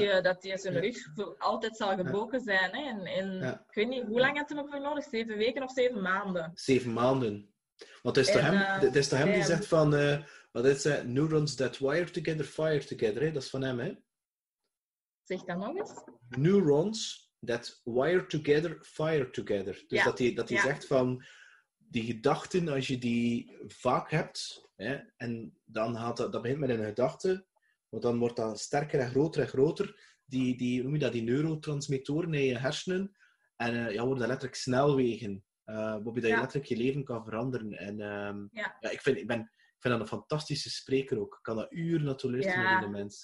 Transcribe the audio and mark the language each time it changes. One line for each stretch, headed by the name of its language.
Dutch: Dat hij zijn rug voor altijd zou gebroken zijn. Hè? Ik weet niet, hoe lang had hij nog voor nodig? 7 weken of 7 maanden? 7 maanden. Want het is toch hem die zegt van...
English: neurons that wire together, fire together.
Dutch: Hè? Dat is van hem, hè? Zeg dat nog eens.
English: Neurons that wire together, fire together.
Dutch: Dus dat hij zegt van... Die gedachten, als je die vaak hebt... Hè, en dan gaat dat begint met een gedachte... Want dan wordt dat sterker en groter... Die hoe noem je dat? Die neurotransmittoren in je hersenen... En worden dat letterlijk snelwegen... waarbij je letterlijk je leven kan veranderen. En ik vind dat een fantastische spreker ook. Ik kan dat uren naartoe luisteren naar de mens.